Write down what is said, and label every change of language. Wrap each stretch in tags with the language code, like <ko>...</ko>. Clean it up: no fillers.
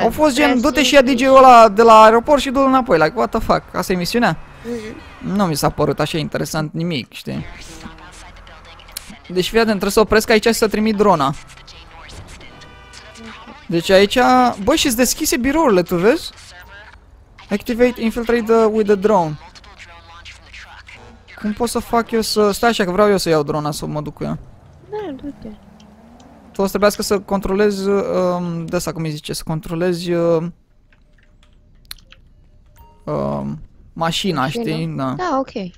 <ro>Au fost gen, du-te și ia DJ-ul ăla de la aeroport și du-l înapoi,</ro> <en>like, what the fuck,</en> <ro>asta e misiunea? Nu mi s-a părut așa interesant nimic, știi? Deci fii atent, trebuie să opresc aici și să trimit drona. Deci aici, băi, și-s deschise birourile, tu vezi?</ro> <en>Activate, infiltrate with the drone.</en> <ro>Cum pot să fac eu să... Stai așa, că vreau eu să iau drona, să mă duc cu ea. Da, du-te. Tu o să trebuiască să controlezi, de asta cum îi zice, să controlezi... mașina, okay, știi? No? Da. Da, ok.</ro>